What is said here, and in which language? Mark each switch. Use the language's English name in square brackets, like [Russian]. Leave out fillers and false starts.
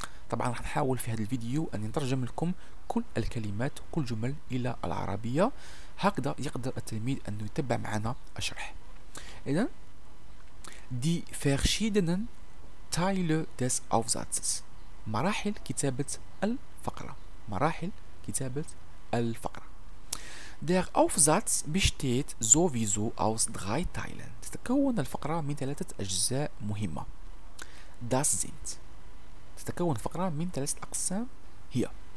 [Arabic] طبعا راح نحاول في هذا الفيديو أن نترجم لكم كل الكلمات وكل جمل إلى العربية، هكذا يقدر التلميذ أن يتبع معنا الشرح. [German] إذن دي فيرشيدنن تايل ديس أوفزاتس، [Arabic] مراحل كتابة الفقرة. مراحل كتابة الفقرة. [German] Der Aufsatz besteht sowieso aus drei Teilen. [Arabic] تتكون الفقرة من ثلاثة أجزاء مهمة. [German] Das sind. [Arabic] تتكون الفقرة من ثلاثة أقسام هي.